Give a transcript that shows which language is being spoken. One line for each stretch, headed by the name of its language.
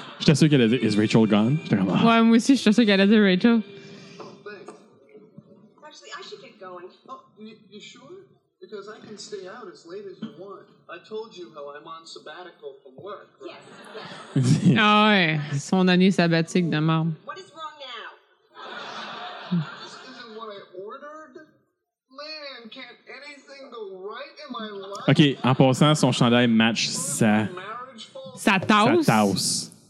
French: Je t'assure qu'elle a dit,
English: is Rachel gone?
French: J'étais comme, ah. Ouais, moi aussi, je t'assure qu'elle a dit Rachel.
English: Oh, thanks. Actually, I should get going. Oh, you sure? Because I can stay out as late as you want. I told you how I'm on sabbatical from work. Right? Yes.
French: Ah oh, ouais, son année sabbatique de mort.
English: What is wrong now? This isn't what I ordered. Man, can't anything go right in my life?
French: OK, en passant, son chandail match sa... Sa tasse.